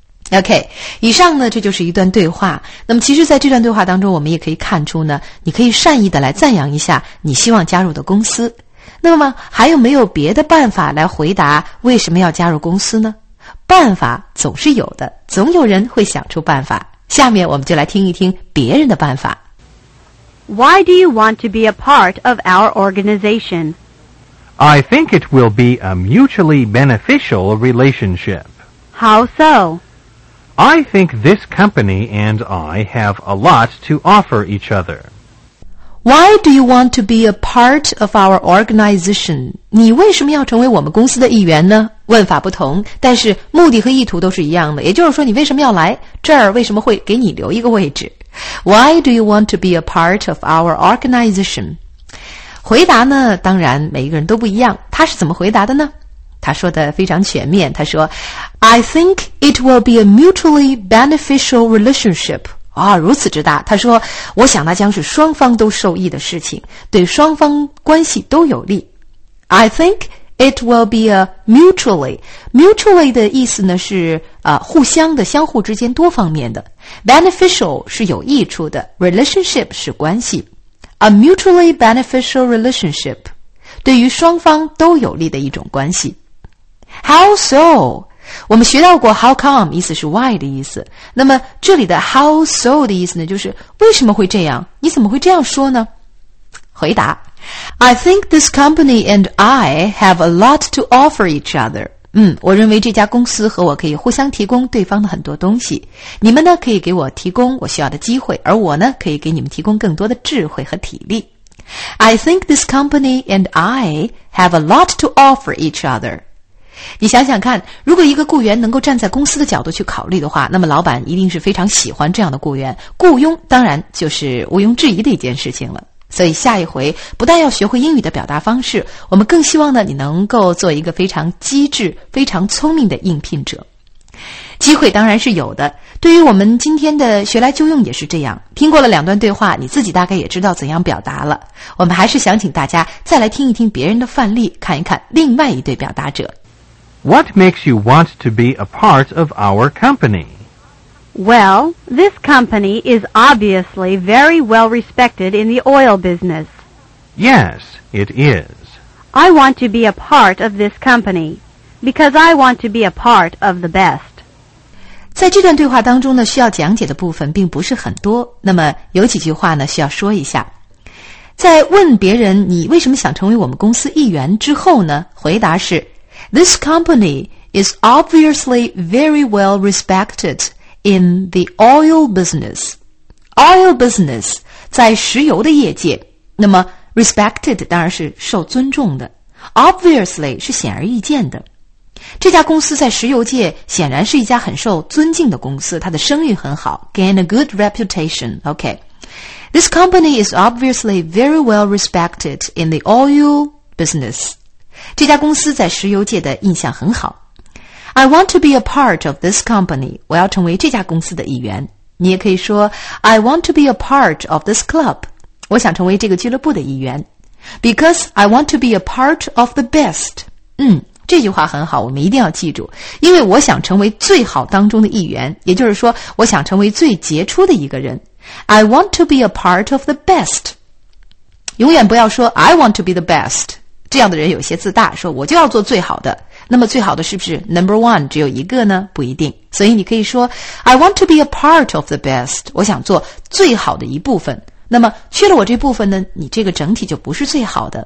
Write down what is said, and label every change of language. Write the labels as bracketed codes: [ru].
[zh] OK， 以上呢这就是一段对话。那么其实在这段对话当中，我们也可以看出呢，你可以善意的来赞扬一下你希望加入的公司。那么还有没有别的办法来回答为什么要加入公司呢？办法总是有的，总有人会想出办法。下面我们就来听一听别人的办法。 [en] Why do you want to be a part of our organization? I think it will be a mutually beneficial relationship. How so? I think this company and I have a lot to offer each other. Why do you want to be a part of our organization? [zh] 你为什么要成为我们公司的一员呢？问法不同，但是目的和意图都是一样的，也就是说你为什么要来这儿，为什么会给你留一个位置？ [en] Why do you want to be a part of our organization? [zh] 回答呢，当然每一个人都不一样，他是怎么回答的呢？他说的非常全面，他说 [en] I think it will be a mutually beneficial relationship、 [zh] 哦、如此之大，他说我想那将是双方都受益的事情，对双方关系都有利。 [en] I think it will be a mutually [zh] 的意思呢是、互相的，相互之间多方面的， beneficial 是有益处的， relationship 是关系， [en] a mutually beneficial relationship [zh] 对于双方都有利的一种关系。 [en] How so? [zh] 我们学到过 how come 意思是 why 的意思，那么这里的 how so 的意思呢就是为什么会这样，你怎么会这样说呢？回答 [en] I think this company and I have a lot to offer each other. [zh] 嗯，我认为这家公司和我可以互相提供对方的很多东西。你们呢，可以给我提供我需要的机会，而我呢，可以给你们提供更多的智慧和体力。 [en] I think this company and I have a lot to offer each other. [zh] 你想想看，如果一个雇员能够站在公司的角度去考虑的话，那么老板一定是非常喜欢这样的雇员，雇佣当然就是毋庸置疑的一件事情了。所以下一回不但要学会英语的表达方式，我们更希望呢你能够做一个非常机智非常聪明的应聘者。机会当然是有的，对于我们今天的学来就用也是这样，听过了两段对话，你自己大概也知道怎样表达了。我们还是想请大家再来听一听别人的范例，看一看另外一对表达者。 [en] What makes you want to be a part of our company? Well, this company is obviously very well respected in the oil business. Yes, it is. I want to be a part of this company, because I want to be a part of the best. [zh] 在这段对话当中呢，需要讲解的部分并不是很多，那么有几句话呢，需要说一下。在问别人你为什么想成为我们公司一员之后呢，回答是 [en] This company is obviously very well respected. In the oil business. Oil business, [zh] 在石油的业界，那么 respected 当然是受尊重的， obviously 是显而易见的。这家公司在石油界显然是一家很受尊敬的公司，它的声誉很好， [en] gain a good reputation. Okay. This company is obviously very well respected in the oil business. [zh] 这家公司在石油界的印象很好。 [en] I want to be a part of this company. [zh] 我要成为这家公司的一员。你也可以说 [en] I want to be a part of this club. [zh] 我想成为这个俱乐部的一员。 [en] Because I want to be a part of the best. [zh] 嗯，这句话很好，我们一定要记住。因为我想成为最好当中的一员，也就是说我想成为最杰出的一个人。 [en] I want to be a part of the best. [zh] 永远不要说 [en] I want to be the best. [zh] 这样的人有些自大，说我就要做最好的。那么最好的是不是 number one 只有一个呢？不一定。所以你可以说 [en] I want to be a part of the best. [zh] 我想做最好的一部分。那么缺了我这部分呢，你这个整体就不是最好的。